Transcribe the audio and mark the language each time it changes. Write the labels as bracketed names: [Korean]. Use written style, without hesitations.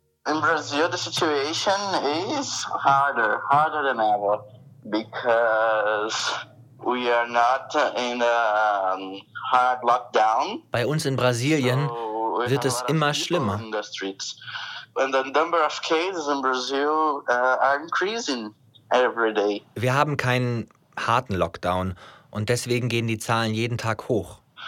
[English] In Brazil, the situation is harder than ever, because we are not in a hard lockdown. [German] Bei uns in Brasilien wird es immer schlimmer. [English] In the streets. And the number of cases in Brazil are increasing every day. [German] Wir haben keinen harten Lockdown und deswegen gehen die Zahlen jeden Tag hoch.